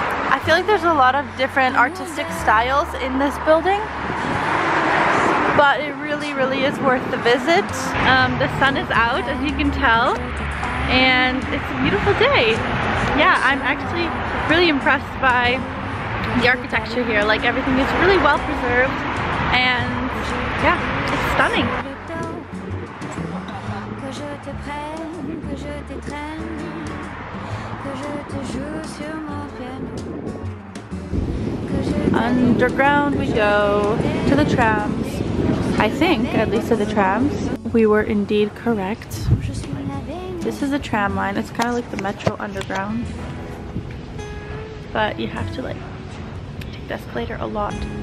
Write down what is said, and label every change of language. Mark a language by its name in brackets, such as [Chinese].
[English] I feel like there's a lot of different artistic styles in this building, but it really, really is worth the visit. The sun is out, as you can tell, and it's a beautiful day. Yeah, I'm actually really impressed by the architecture here. Like, everything is really well preserved, and yeah, it's stunning. [French] je te prenne, que je te traîne, que je te joue sur mon piano. [English] Underground we go to the trams. I think, at least to the trams. We were indeed correct. This is a tram line. It's kind of like the metro underground. But you have to like take the escalator a lot.